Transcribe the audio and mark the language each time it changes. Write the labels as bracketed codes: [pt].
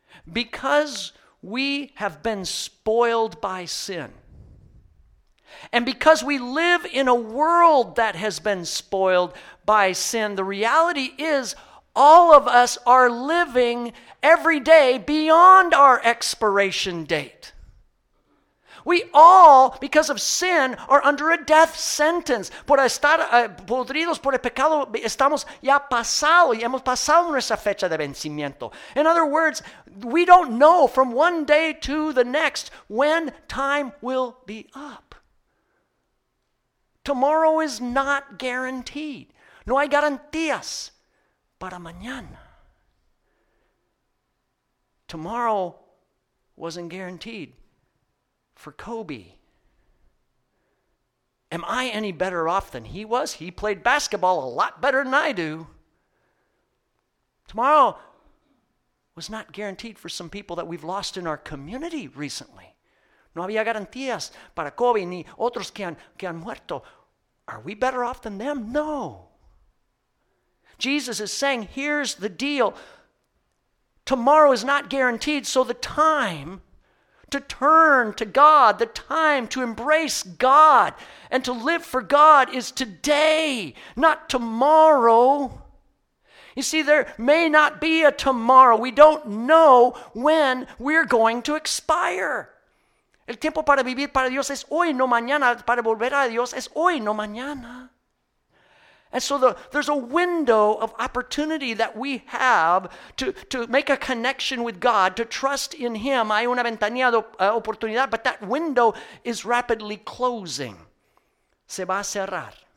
[en] Because we have been spoiled by sin, and because we live in a world that has been spoiled by sin, the reality is all of us are living every day beyond our expiration date. We all, because of sin, are under a death sentence. [es] Por estar podridos por el pecado, estamos ya pasado y hemos pasado nuestra fecha de vencimiento. [en] In other words, we don't know from one day to the next when time will be up. Tomorrow is not guaranteed. [es] No hay garantías para mañana. [en] Tomorrow wasn't guaranteed for Kobe. Am I any better off than he was? He played basketball a lot better than I do. Tomorrow was not guaranteed for some people that we've lost in our community recently. [es] No había garantías para Kobe ni otros que han muerto. [en] Are we better off than them? No. Jesus is saying, here's the deal. Tomorrow is not guaranteed, so the time to turn to God, the time to embrace God and to live for God is today, not tomorrow. You see, there may not be a tomorrow. We don't know when we're going to expire. [es] El tiempo para vivir para Dios es hoy, no mañana. Para volver a Dios es hoy, no mañana. [en] And so there's a window of opportunity that we have to make a connection with God, to trust in Him. [es] Hay una ventanilla de oportunidad, [en] but that window is rapidly closing. [es] Se va a cerrar.